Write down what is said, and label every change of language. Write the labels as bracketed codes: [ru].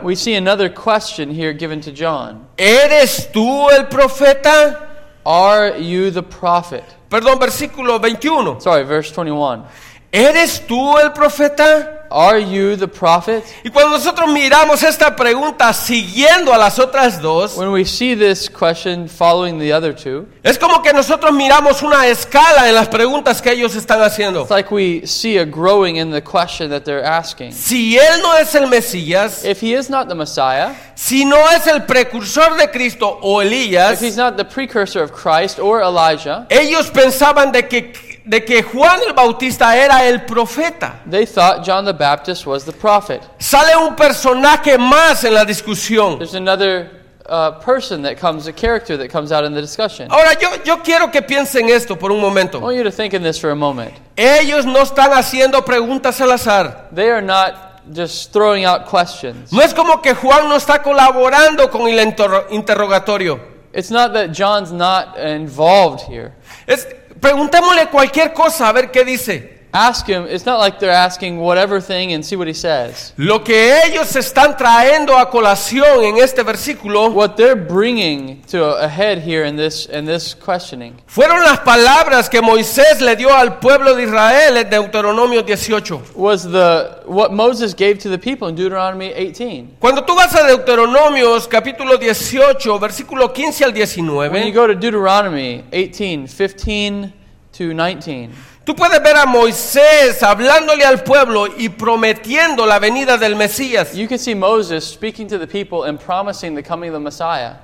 [en] We see another question here given to John. [es] ¿Eres tú el profeta? [en] Are you the prophet? [es] Perdón, versículo 21. [en] Sorry, verse 21. [es] ¿Eres tú el profeta? [en] Are you the prophet? [es] Y cuando nosotros miramos esta pregunta siguiendo a las otras dos, [en] when we see this question following the other two, [es] es como que nosotros miramos una escala en las preguntas que ellos están haciendo. [en] It's like we see a growing in the question that they're asking. [es] Si él no es el Mesías, [en] if he is not the Messiah, [es] si no es el precursor de Cristo o Elías, [en] if he's not the precursor of Christ or Elijah, [es] ellos pensaban de que Juan el Bautista era el profeta. [en] They thought John the Baptist was the prophet. [es] Sale un personaje más en la discusión. [en] There's another person that comes, a character that comes out in the discussion. [es] Ahora, yo quiero que piensen esto por un momento. [en] I want you to think in this for a moment. [es] Ellos no están haciendo preguntas al azar. [en] They are not just throwing out questions. [es] No es como que Juan no está colaborando con el interrogatorio. [en] It's not that John's not involved here. [es] Preguntémosle cualquier cosa a ver qué dice. [en] Ask him. It's not like they're asking whatever thing and see what he says. [es] Lo que ellos están trayendo a colación en este versículo. [en] What they're bringing to a head here in this questioning. [es] Fueron las palabras que Moisés le dio al pueblo de Israel en Deuteronomio 18. [en] Was the what Moses gave to the people in Deuteronomy 18. [es] Cuando tú vas a Deuteronomio capítulo 18, versículo 15 al 19. [en] When you go to Deuteronomy 18, 15 to 19. [es] Tú puedes ver a Moisés hablándole al pueblo y prometiendo la venida del Mesías. [en] You can see Moses speaking to the people and promising the coming of the Messiah.